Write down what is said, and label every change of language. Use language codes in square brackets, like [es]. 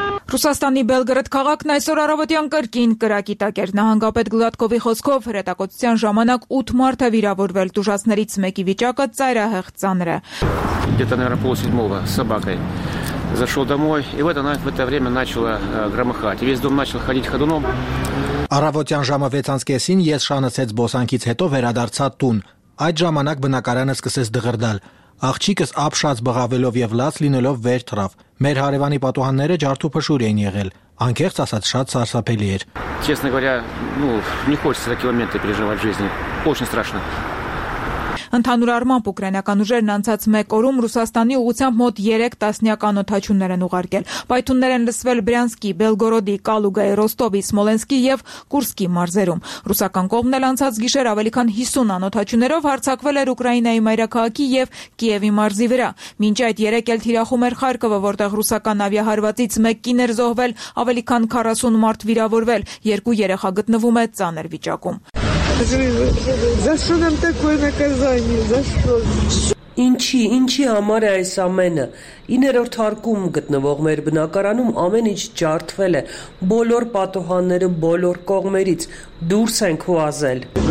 [hy] Ռուսաստանի Բելգրադ քաղաքն այսօր առավոտյան կրկին կրակի տակ էր։ Նահանգապետ Գլադկովի խոսքով հրետակոծության ժամանակ 8 մարդ է վիրավորվել, տուժածներից մեկի վիճակը ծայրահեղ ծանր է։ [ru] Где-то, наверное, полседьмого с собакой зашел домой, и вот она в это время начала громыхать. И весь дом начал ходить ходуном. [hy] Առավոտյան ժամը 6:30-ին ես շանացեց բոսանքից հետո վերադարձա տուն։ Այդ ժամանակ բնակարանը սկսեց դղրդալ։ Աղջիկս ապշած բղավելով եւ լաց լինելով վեր թռավ։ Մեր հարևանի պատուհանները ջարդու փշուր էին եղել։ Անկեղծ ասած շատ սարսափելի էր։ [ru] Честно говоря, ну, не хочется такие моменты переживать в жизни. Очень страшно. [hy] Ընդհանուր առմամբ ուկրաինական ուժերն անցած 1 օրում Ռուսաստանի ուղղությամբ մոտ 3 տասնյակ անոթաչուններ են ուղարկել։ Պայթուններ են լսվել Բրյանսկի, Բելգորոդի, Կալուգայի, Ռոստովի, Սմոլենսկի եւ Կուրսկի մարզերում։ Ռուսական կողմն էլ անցած գիշեր ավելի քան 50 անոթաչուններով հարձակվել էր Ուկրաինայի մայրաքաղաքի եւ Կիևի մարզի վրա։ Մինչ այդ 3 էլ թիրախում էր Խարկովը, որտեղ ռուսական ավիահարվածից 1 կիներ զոհվել, ավելի քան 40 մարդ վիրավորվել, 2 երեխա գտնվում է ծանր վիճակում։ [ru] За что нам такое наказание? За что? [hy] Ինչի համար է այս ամենը։ 9-րդ հարկում գտնվող մեր բնակարանում ամեն ինչ ջարդվել է։ Բոլոր պատուհանները բոլոր կողմերից դուրս են քուազել։